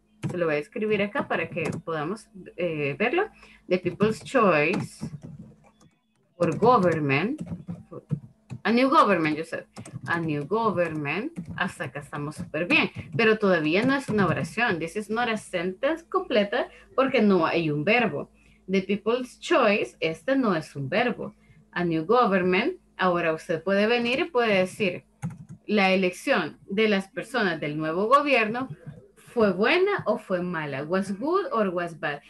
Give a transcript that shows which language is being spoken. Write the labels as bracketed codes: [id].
[es] Se lo voy a escribir acá para que podamos verlo. [en] The people's choice for government. A new government, you said. a new government, [es] hasta acá estamos súper bien. Pero todavía no es una oración. [en] This is not a sentence [es] completa porque no hay un verbo. [en] The people's choice, [es] este no es un verbo. [en] A new government, [es] ahora usted puede venir y puede decir, la elección de las personas del nuevo gobierno fue buena o fue mala, [en] was good or was bad.